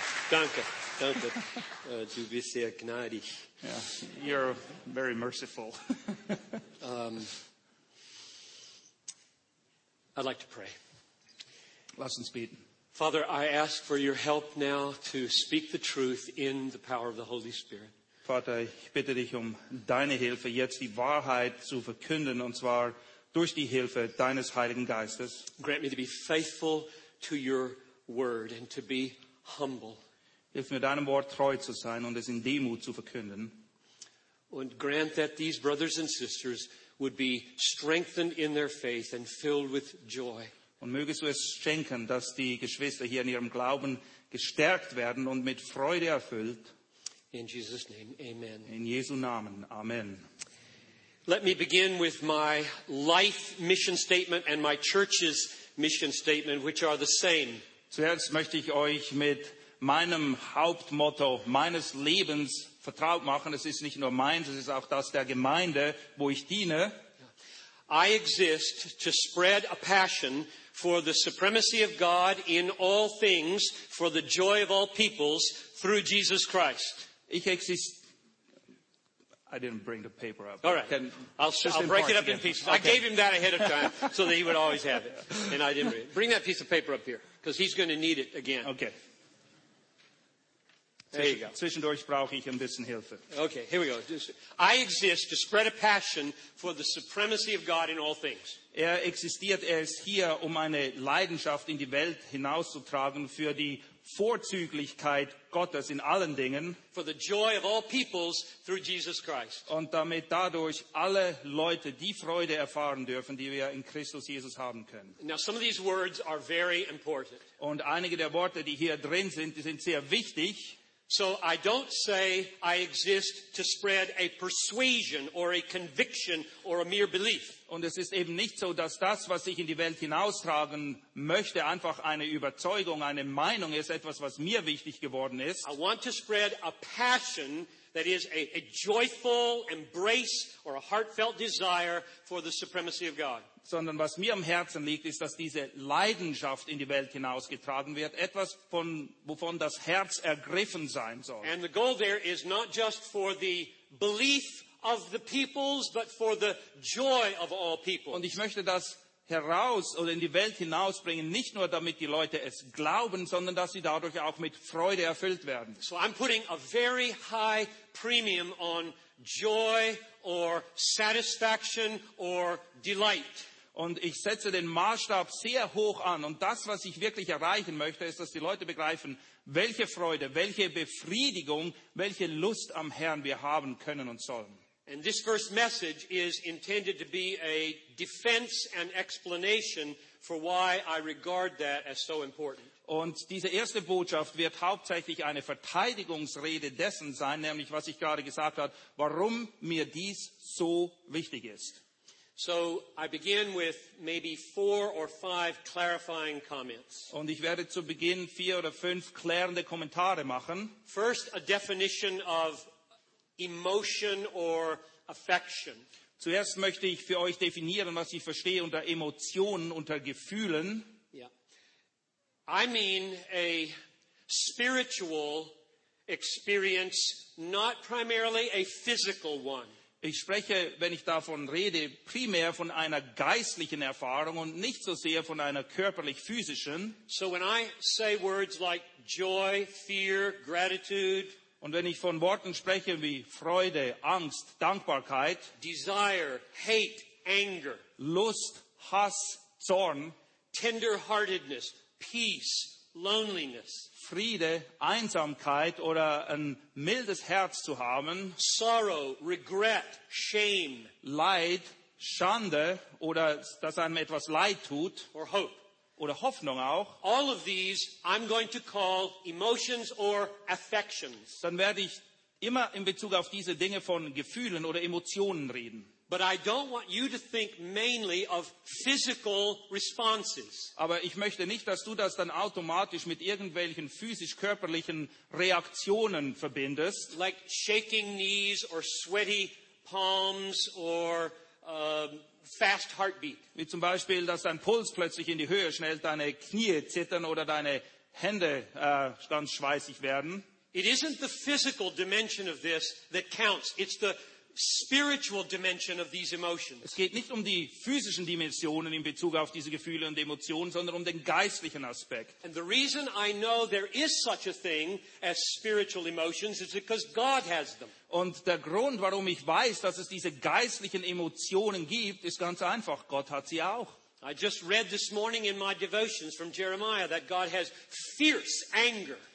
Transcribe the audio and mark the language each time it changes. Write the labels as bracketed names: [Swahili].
[German] Danke. Danke. Du bist sehr gnädig. [English] Yeah, you're very merciful. I'd like to pray. [German] Lass uns beten. [English] Father, I ask for your help now to speak the truth in the power of the Holy Spirit. [German] Vater, ich bitte dich um deine Hilfe, jetzt die Wahrheit zu verkünden, und zwar durch die Hilfe deines Heiligen Geistes. [English] Grant me to be faithful to your word and to be humble. [German] Hilf mir, deinem Wort treu zu sein und es in Demut zu verkünden. Und [English] grant that these brothers and sisters would be strengthened in their faith and filled with joy. [German] Und mögest du es schenken, dass die Geschwister hier in ihrem Glauben gestärkt werden und mit Freude erfüllt. [English] In Jesus' name, amen. [German] In Jesu Namen, amen. [English] Let me begin with my life mission statement and my church's mission statement, which are the same. [German] Zuerst möchte ich euch mit meinem Hauptmotto meines Lebens vertraut machen. Es ist nicht nur meins, es ist auch das der Gemeinde, wo ich diene. [English] I exist to spread a passion for the supremacy of God in all things, for the joy of all peoples, through Jesus Christ. I didn't bring the paper up. All right. I'll break it up in pieces. Okay. I gave him that ahead of time so that he would always have it. And I didn't bring it. Bring that piece of paper up here because he's going to need it again. Okay. There you go. [German] Zwischendurch brauche ich ein bisschen Hilfe. [English] Okay, here we go. I exist to spread a passion for the supremacy of God in all things. [German] Existiert. Er ist hier, um eine Leidenschaft in die Welt hinauszutragen für die Vorzüglichkeit Gottes in allen Dingen. [English] For the joy of all peoples through Jesus Christ. [German] Und damit dadurch alle Leute die Freude erfahren dürfen, die wir in Christus Jesus haben können. [English] Now some of these words are very important. [German] Und einige der Worte, die hier drin sind, die sind sehr wichtig. [English] So I don't say I exist to spread a persuasion or a conviction or a mere belief. [German] Und es ist eben nicht so, dass das, was ich in die Welt hinaustragen möchte, einfach eine Überzeugung, eine Meinung ist, etwas, was mir wichtig geworden ist. [English] I want to spread a passion that is a joyful embrace or a heartfelt desire for the supremacy of God. [German] Sondern was mir am Herzen liegt, ist, dass diese Leidenschaft in die Welt hinausgetragen wird. Etwas, von, wovon das Herz ergriffen sein soll. [English] And the goal there is not just for the belief of the peoples, but for the joy of all peoples. [German] Und ich möchte das heraus oder in die Welt hinausbringen, nicht nur damit die Leute es glauben, sondern dass sie dadurch auch mit Freude erfüllt werden. [English] So I'm putting a very high premium on joy or satisfaction or delight. [German] Und ich setze den Maßstab sehr hoch an. Und das, was ich wirklich erreichen möchte, ist, dass die Leute begreifen, welche Freude, welche Befriedigung, welche Lust am Herrn wir haben können und sollen. [English] And this first message is intended to be a defense and explanation for why I regard that as so important. [German] Und diese erste Botschaft wird hauptsächlich eine Verteidigungsrede dessen sein, nämlich was ich gerade gesagt habe, warum mir dies so wichtig ist. [English] So I begin with maybe 4 or 5 clarifying comments. [German] Und ich werde zu Beginn 4 oder 5 klärende Kommentare machen. [English] First, a definition of emotion or affection. [German] Zuerst möchte ich für euch definieren, was ich verstehe unter Emotionen, unter Gefühlen. [English] Yeah. I mean a spiritual experience, not primarily a physical one. [German] Ich spreche, wenn ich davon rede, primär von einer geistlichen Erfahrung und nicht so sehr von einer körperlich-physischen. [English] So when I say words like joy, fear, gratitude, [German] und wenn ich von Worten spreche wie Freude, Angst, Dankbarkeit, [English] desire, hate, anger, [German] Lust, Hass, Zorn, [English] tender-heartedness, peace, loneliness, [German] Friede, Einsamkeit oder ein mildes Herz zu haben, [English] sorrow, regret, shame, [German] Leid, Schande oder dass einem etwas leid tut, [English] or hope, [German] oder Hoffnung auch, [English] all of these I'm going to call emotions or affections. [German] Dann werde ich immer in Bezug auf diese Dinge von Gefühlen oder Emotionen reden. [English] But I don't want you to think mainly of physical responses. [German] Aber ich möchte nicht, dass du das dann automatisch mit irgendwelchen physisch-körperlichen Reaktionen verbindest. [English] Like shaking knees or sweaty palms or fast heartbeat. [German] Wie zum Beispiel, dass dein Puls plötzlich in die Höhe schnellt, deine Knie zittern oder deine Hände ganz schweißig werden. [English] It isn't the physical dimension of this that counts. It's the spiritual dimension of these emotions. [German] Es geht nicht um die physischen Dimensionen in Bezug auf diese Gefühle und Emotionen, sondern um den geistlichen Aspekt. [English] And the reason I know there is such a thing as spiritual emotions is because God has them. [German] Und der Grund, warum ich weiß, dass es diese geistlichen Emotionen gibt, ist ganz einfach. Gott hat sie auch. [English] I just read this morning in my devotions from Jeremiah that God has fierce anger.